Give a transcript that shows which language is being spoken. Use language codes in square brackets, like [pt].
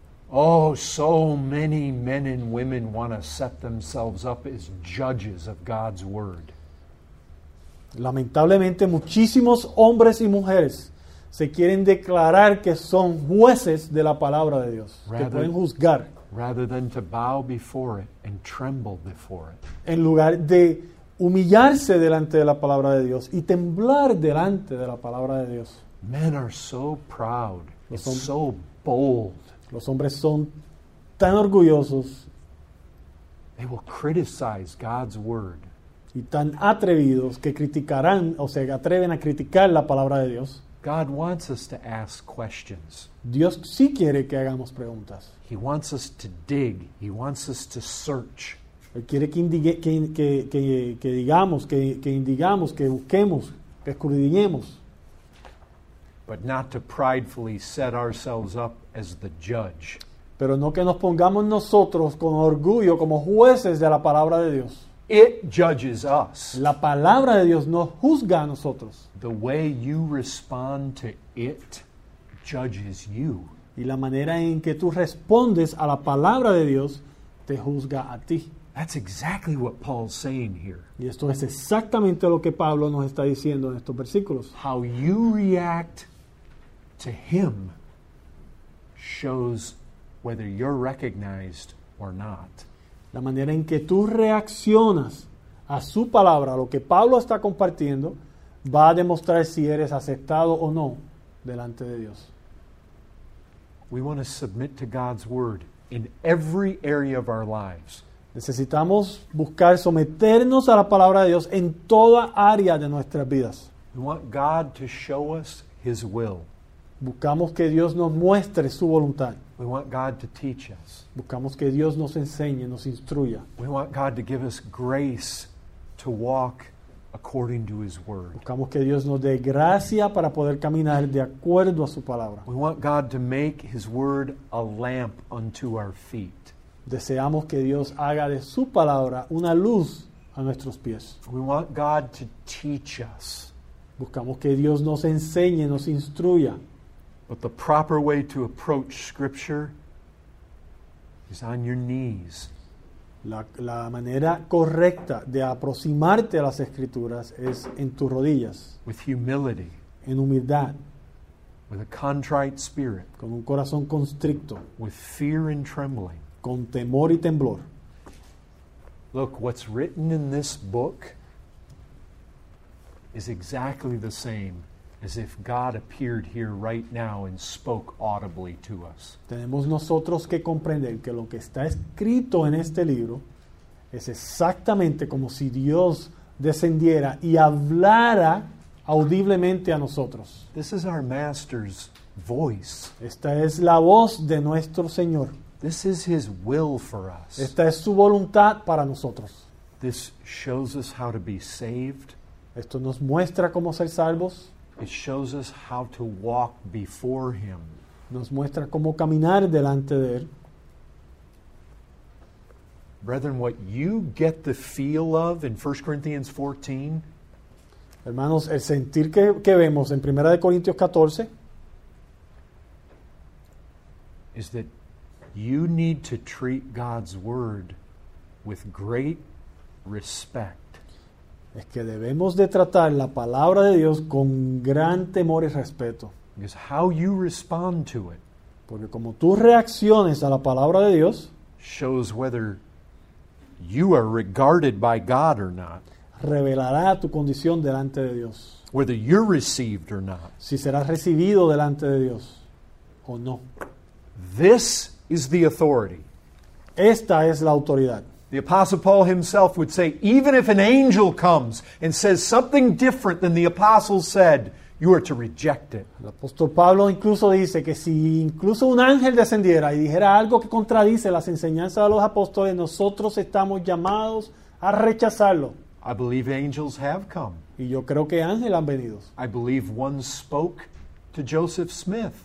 [en] Oh, so many men and women want to set themselves up as judges of God's word. [es] Lamentablemente, muchísimos hombres y mujeres se quieren declarar que son jueces de la palabra de Dios, rather, que pueden juzgar. [en] Rather than to bow before it and tremble before it. [es] En lugar de humillarse delante de la palabra de Dios y temblar delante de la palabra de Dios. [en] Men are so proud, so bold. [es] Los hombres son tan orgullosos. [en] They will criticize God's word. [es] Y tan atrevidos que criticarán, o sea, atreven a criticar la palabra de Dios. [en] God wants us to ask questions. [es] Dios sí quiere que hagamos preguntas. [en] He wants us to dig. He wants us to search. [es] Él quiere que digamos, que busquemos, que escudriñemos. [en] But not to pridefully set ourselves up as the judge. [es] Pero no que nos pongamos nosotros con orgullo como jueces de la palabra de Dios. [en] It judges us. [es] La palabra de Dios nos juzga a nosotros. [en] The way you respond to it judges you. [es] Y la manera en que tú respondes a la palabra de Dios te juzga a ti. [en] That's exactly what Paul's saying here. [es] Y esto es exactamente lo que Pablo nos está diciendo en estos versículos. [en] How you react to him shows whether you're recognized or not. [es] La manera en que tú reaccionas a su palabra, a lo que Pablo está compartiendo, va a demostrar si eres aceptado o no delante de Dios. [en] We want to submit to God's word in every area of our lives. [es] Necesitamos buscar someternos a la palabra de Dios en toda área de nuestras vidas. [en] We want God to show us his will. [es] Buscamos que Dios nos muestre su voluntad. [en] We want God to teach us. [es] Buscamos que Dios nos enseñe, nos instruya. [en] We want God to give us grace to walk according to his word. [es] Buscamos que Dios nos dé gracia para poder caminar de acuerdo a su palabra. [en] We want God to make his word a lamp unto our feet. [es] Deseamos que Dios haga de su palabra una luz a nuestros pies. [en] We want God to teach us. [es] Buscamos que Dios nos enseñe, nos instruya. [en] But the proper way to approach scripture is on your knees. [es] La manera correcta de aproximarte a las escrituras es en tus rodillas. [en] With humility. [es] En humildad. [en] With a contrite spirit. [es] Con un corazón constricto. [en] With fear and trembling. [es] Con temor y temblor. [en] Look, what's written in this book is exactly the same as if God appeared here right now and spoke audibly to us. [es] Tenemos nosotros que comprender que lo que está escrito en este libro es exactamente como si Dios descendiera y hablara audiblemente a nosotros. [en] This is our master's voice. [es] Esta es la voz de nuestro Señor. [en] This is his will for us. [es] Esta es su voluntad para nosotros. [en] This shows us how to be saved. [es] Esto nos muestra cómo ser salvos. [en] It shows us how to walk before him. [es] Nos muestra cómo caminar delante de él. [en] Brethren, what you get the feel of in 1 Corinthians 14. [es] Hermanos, el sentir que vemos en 1 Corintios 14. [en] Is that you need to treat God's word with great respect. [es] Es que debemos de tratar la palabra de Dios con gran temor y respeto. [en] Because how you respond to it, [es] porque como tú reacciones a la palabra de Dios, [en] shows whether you are regarded by God or not. [es] Revelará tu condición delante de Dios. [en] Whether you're received or not. [es] Si serás recibido delante de Dios o no. [en] This is the authority. [es] Esta es la autoridad. [en] The Apostle Paul himself would say, even if an angel comes and says something different than the apostles said, you are to reject it. [es] El apóstol Pablo incluso dice que si incluso un ángel descendiera y dijera algo que contradice las enseñanzas de los apóstoles, nosotros estamos llamados a rechazarlo. [en] I believe angels have come. [es] Y yo creo que ángeles han venido. [en] I believe one spoke to Joseph Smith.